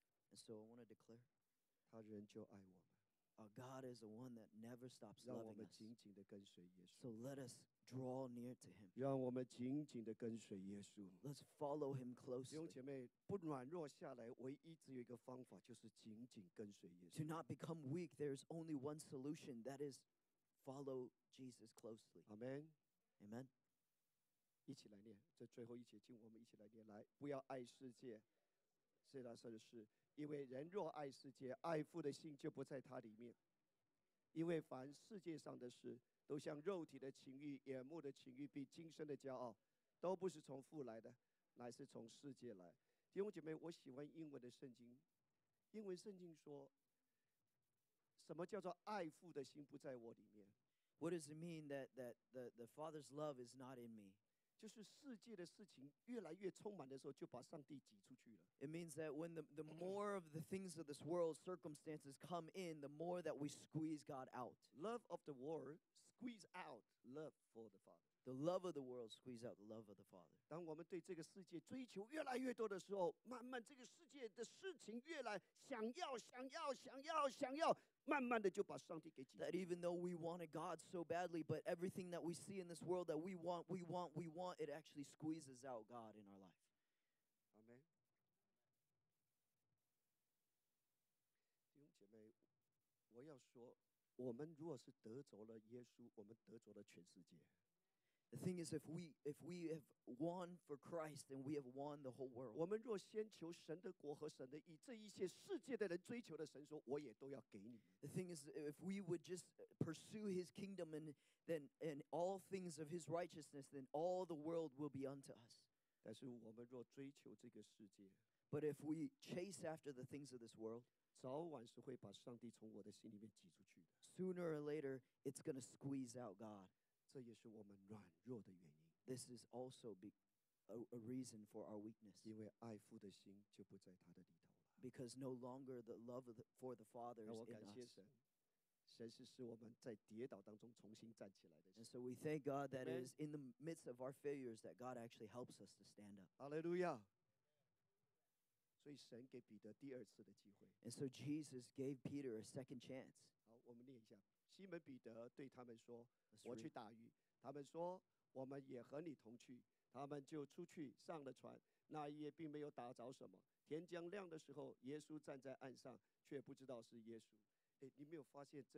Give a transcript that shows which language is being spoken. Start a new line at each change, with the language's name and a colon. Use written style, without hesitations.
English: And so I want to declare.
Chinese: 他仍旧爱我们。
English: Our God is the one that never stops loving us.
Chinese: 让我们紧紧地跟随耶稣。
English: So let us draw near to him.
Chinese: 让我们紧紧地跟随耶稣。
English: Let's follow him closely.
Chinese: 弟兄姐妹，不软弱下来，唯一只有一个方法，就是紧紧跟随耶稣。
English: To not become weak, there is only one solution, that is follow Jesus closely. Amen. Amen.
Chinese: 一起来念，这最后一节经，我们一起来念，来，不要爱世界，世上所有的事。因为人若爱世界，爱父的心就不在他里面。因为凡世界上的事，都像肉体的情欲、眼目的情欲，并今生的骄傲，都不是从父来的，乃是从世界来。弟兄姐妹，我喜欢英文的圣经。英文圣经说，什么叫做爱父的心不在我里面？
English: What does it mean that the Father's love is not in me?
Chinese: 就是世界的事情越来越充满的时候，就把上帝挤出去了。
English: It means that when the more of the things of this world circumstances come in, the more that we squeeze God out. Love of the world squeeze out love for the Father. The love of the world squeeze out the love of the Father.
Chinese: 当我们对这个世界追求越来越多的时候，慢慢这个世界的事情越来想要想要想要想要。慢慢的就把上帝给挤。
English: That even though we wanted God so badly, but everything that we see in this world that we want, it actually squeezes out God in our life. Amen.
Chinese: 弟兄姐妹，我要说，我们如果是得着了耶稣，我们得着了全世界。
English: The thing is, if we have won for Christ, then we have won the whole world.
Chinese: 我们若先求神的国和神的义，这一些世界的人追求的神说，我也都要给你。
English: The thing is, if we would just pursue His kingdom and all things of His righteousness, then all the world will be unto us.
Chinese: 但是我们若追求这个世界，
English: but if we chase after the things of this world,
Chinese: 早晚是会把上帝从我的心里面挤出去的。
English: Sooner or later, it's going to squeeze out God.
Chinese: 这也是我们软弱的原因。
English: This is also a reason for our weakness.
Chinese: 因为爱父的心就不在他的里头了。
English: Because no longer the love for the Father is in us.
Chinese: 神是使我们在跌倒当中重新站起来的。
English: And so we thank God that it is in the midst of our failures that God actually helps us to stand up. Hallelujah.
Chinese: 所以神给彼得第二次的机会。
English: And so Jesus gave Peter a second chance.
Chinese: 好，我们念一下。西门彼得对他们说：“我去打鱼。”他们说：“我们也和你同去。”他们就出去上了船，那夜并没有打着什么。天将亮的时候，耶稣站在岸上，却不知道是耶稣。